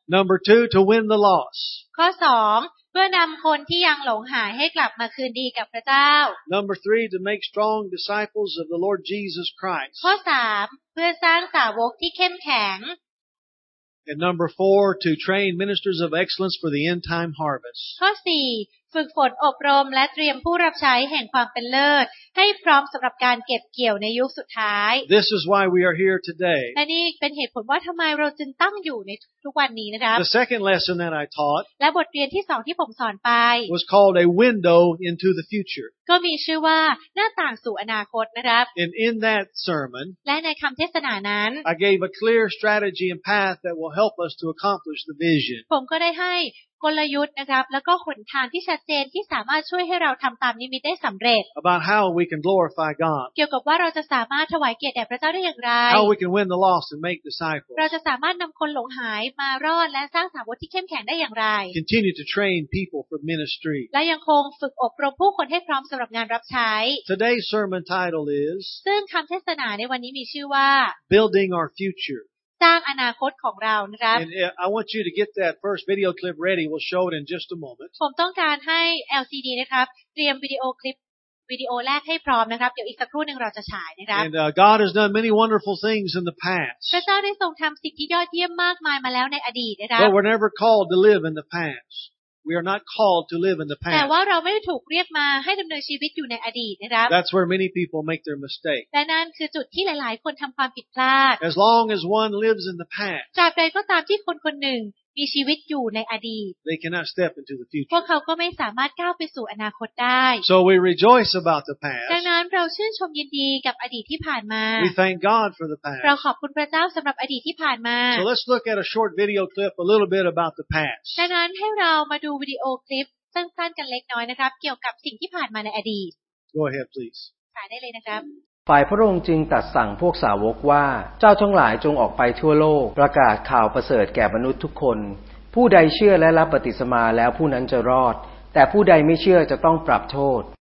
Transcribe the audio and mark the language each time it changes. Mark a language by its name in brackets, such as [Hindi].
[English] Number 2 to win the lost [Thai] ข้อ2เพื่อนำคนที่ยังหลงหายให้กลับมาคืนดีกับพระเจ้า [English] Number 3 to make strong disciples of the Lord Jesus Christ [Thai] ข้อ3เพื่อสร้างสาวกที่เข้มแข็ง [English] And number 4 to train ministers of excellence for the end time harvest [Thai] ข้อ4ฝึกฝนอบรมและเตรียมผู้รับใช้แห่งความเป็นเลิศให้พร้อมสำหรับการเก็บเกี่ยวในยุคสุดท้าย [English] This is why we are here today [Thai] และนี่เป็นเหตุผลว่าทำไมเราจึงตั้งอยู่ในทุกวันนี้นะครับ [English] The second lesson that I taught [Thai] และบทเรียนที่สองที่ผมสอนไป [English] was called a window into the future [Thai] ก็มีชื่อว่าหน้าต่างสู่อนาคตนะครับ [English] And in that sermon [Thai] และในคำเทศนานั้น [English] I gave a clear strategy and path that will help us to accomplish the vision [Thai] ผมก็ได้ให้กลยุทธ์นะครับแล้วก็หนทางที่ชัดเจนที่สามารถช่วยให้เราทำตามนิมิตได้สำเร็จ [English] About how we can glorify God [Thai] เกี่ยวกับว่าเราจะสามารถถวายเกียรติแด่พระเจ้าได้อย่างไร [English] How we can win the lost and make disciples [Thai] เราจะสามารถนำคนหลงหายมารอดและสร้างสาวกที่เข้มแข็งได้อย่างไร [English] Continue to train people for ministry [Thai] และยังคงฝึกอบรมผู้คนให้พร้อมสำหรับงานรับใช้ [English] Today's sermon title is [Thai] ซึ่งคำเทศนาในวันนี้มีชื่อว่า [English] Building our future [Thai] สร้างอนาคตของเรานะครับ [English] And I want you to get that first video clip ready. We'll show it in just a moment. [Thai] ผมต้องการให้ LCD นะครับเตรียมวิดีโอคลิปวิดีโอแรกให้พร้อมนะครับเดี๋ยวอีกสักครู่นึงเราจะฉายนะครับ [English] And God has done many wonderful things in the past. [Thai] พระเจ้าได้ทรงทำสิ่งที่ยอดเยี่ยมมากมายมาแล้วในอดีตนะครับ [English] But we're never called to live in the past. We are not called to live in the past. [Thai] แต่ว่าเราไม่ถูกเรียกมาให้ดำเนินชีวิตอยู่ในอดีตนะครับ [English] That's where many people make their mistake. [Thai] และนั่นคือจุดที่หลายๆคนทำความผิดพลาด [English] As long as one lives in the past. [Thai] ตราบใดก็ตามที่คนคนหนึ่งมีชีวิตอยู่ในอดีต [English] They cannot step into the future. [Thai] พวกเขาก็ไม่สามารถก้าวไปสู่อนาคตได้ [English] So we rejoice about the past. [Thai] ดังนั้นเราชื่นชมยินดีกับอดีตที่ผ่านมา [English] We thank God for the past. [Thai] เราขอบคุณพระเจ้าสำหรับอดีตที่ผ่านมา [English] So let's look at a short video clip a little bit about the past. [Thai] ดังนั้นให้เรามาดูวิดีโอคลิปสั้นๆกันเล็กน้อยนะครับเกี่ยวกับสิ่งที่ผ่านมาในอดีต [English] Go ahead please. [Thai] ถ่ายได้เลยนะครับ ฝ่ายพระองค์จึงตรัสสั่งพวกสาวกว่าเจ้าทั้งหลายจงออกไปทั่วโลกประกาศข่าวประเสริฐแก่มนุษย์ทุกคนผู้ใดเชื่อและรับปฏิสมาแล้วผู้นั้นจะรอดแต่ผู้ใดไม่เชื่อจะต้องปรับโทษ